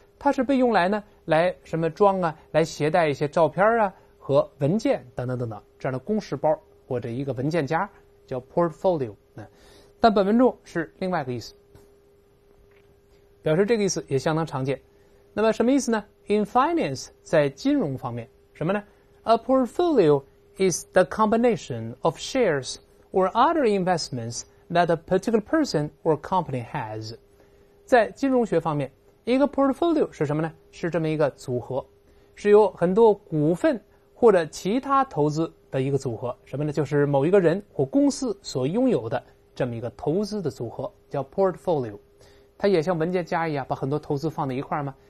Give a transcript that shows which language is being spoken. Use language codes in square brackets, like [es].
[zh] 它是被用来呢，来什么装啊，来携带一些照片啊和文件等等等等，这样的公事包或者一个文件夹叫 portfolio。但本文中是另外一个意思，表示这个意思也相当常见。那么什么意思呢？ [en] in finance， [zh] 在金融方面，什么呢？ [en] a portfolio is the combination of shares or other investments that a particular person or company has。 [zh] 在金融学方面，一个 portfolio 是什么呢？是这么一个组合，是由很多股份或者其他投资的一个组合。什么呢？就是某一个人或公司所拥有的这么一个投资的组合叫 portfolio。它也像文件夹一样把很多投资放在一块吗？